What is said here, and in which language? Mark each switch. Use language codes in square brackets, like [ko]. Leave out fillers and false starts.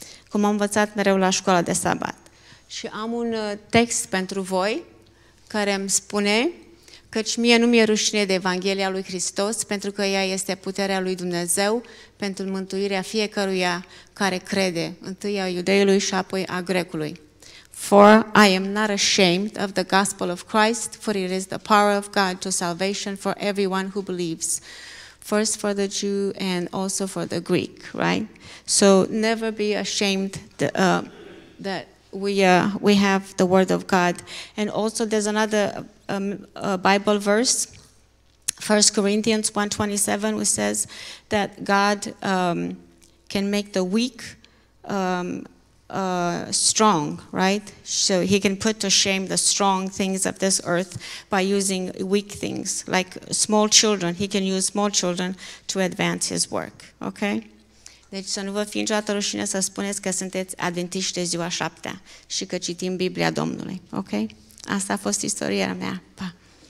[ro] Cum am învățat mereu la școala de sabat. Și am un text pentru voi care îmi spune căci mie nu mi-e rușine de Evanghelia lui Hristos pentru că ea este puterea lui Dumnezeu pentru mântuirea fiecăruia care crede, întâi a iudeiului și apoi a grecului. [en] For I am not ashamed of the gospel of Christ, for it is the power of God to salvation for everyone who believes. First for the Jew and also for the Greek, right? So never be ashamed that we have the word of God. And also there's another Bible verse, 1 Corinthians 1:27, which says that God can make the weak strong, right? So he can put to shame the strong things of this earth by using weak things, like small children. He can use small children to advance his work, okay? [ro] Deci să nu vă fie niciodată rușine să spuneți că sunteți adventiști de ziua șaptea și că citim Biblia Domnului, ok? Asta a fost istoria mea. Pa!